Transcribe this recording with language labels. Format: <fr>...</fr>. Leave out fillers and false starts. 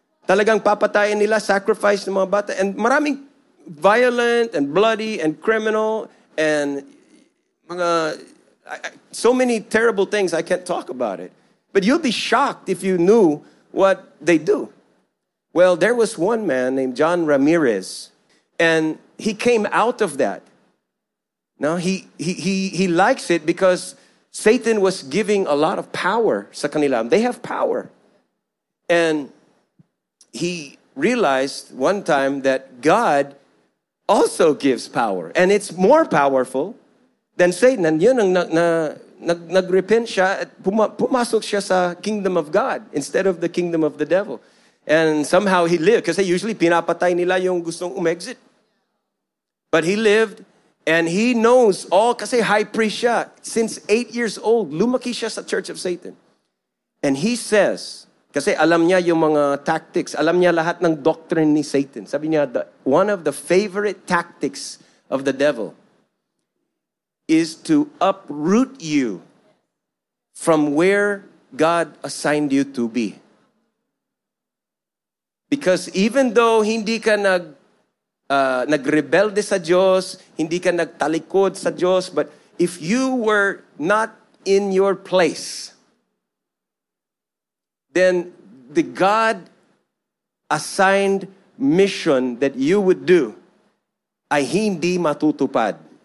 <tl>Talagang papatayin nila, sacrifice ng mga bata.</tl> <en>And maraming violent and bloody and criminal and mga, so many terrible things, I can't talk about it. But you'd be shocked if you knew what they do. Well, there was one man named John Ramirez, and he came out of that. No, he likes it because Satan was giving a lot of power</en> <tl>sa kanila.</tl> <en>They have power. And he realized one time that God also gives power. And it's more powerful than Satan. And</en> <tl>yun ang nag-repent siya at pumasok siya sa</tl> <en>kingdom of God instead of the kingdom of the devil. And somehow he lived.</en> <tl>Kasi usually pinapatay nila yung gustong umexit.</tl> <en>But he lived. And he knows all,</en> <tl>kasi high priest siya,</tl> <en>since 8 years old,</en> <tl>lumaki siya sa</tl> <en>Church of Satan. And he says,</en> <tl>Kasi alam niya yung mga tactics. Alam niya lahat ng doctrine ni Satan. Sabi niya,</tl> <en>one of the favorite tactics of the devil is to uproot you from where God assigned you to be. Because even though</en> <tl>hindi ka nagrebelde sa Diyos,</tl> <en>hindi ka nagtalikod sa Diyos, but if you were not in your place, then the God assigned mission that you would do</en> <tl>ay hindi matutupad.</tl>